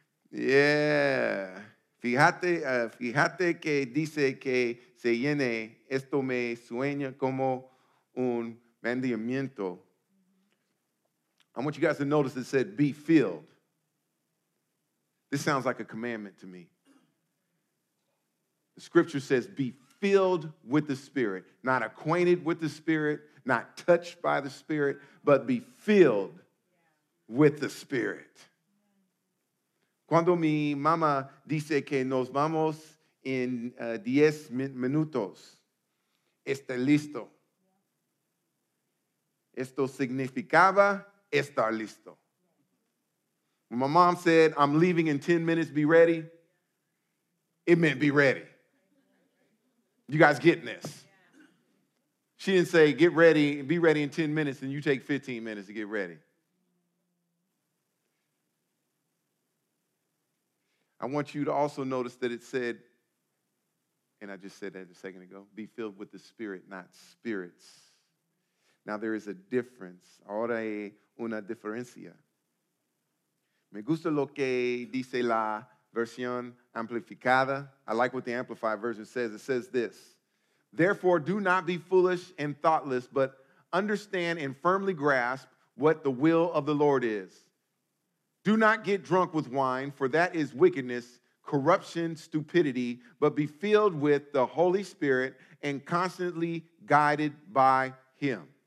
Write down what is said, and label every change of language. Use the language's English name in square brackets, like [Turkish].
[Spanish] Yeah, fíjate que dice que se llene, esto me sueña como un mandamiento. [English] I want you guys to notice it said be filled. This sounds like a commandment to me. The scripture says be filled with the Spirit, not acquainted with the Spirit, not touched by the Spirit, but be filled with the Spirit. [Spanish] Cuando mi mamá dice que nos vamos en 10 minutos, está listo. Esto significaba estar listo. [English] When my mom said, I'm leaving in 10 minutes, be ready, it meant be ready. You guys getting this? She didn't say, get ready, be ready in 10 minutes, and you take 15 minutes to get ready. I want you to also notice that it said, and I just said that a second ago, be filled with the Spirit, not spirits. Now there is a difference. [Spanish] Ahora hay una diferencia. Me gusta lo que dice la versión amplificada. [English] I like what the amplified version says. It says this. Therefore, do not be foolish and thoughtless, but understand and firmly grasp what the will of the Lord is. Do not get drunk with wine, for that is wickedness, corruption, stupidity, but be filled with the Holy Spirit and constantly guided by him.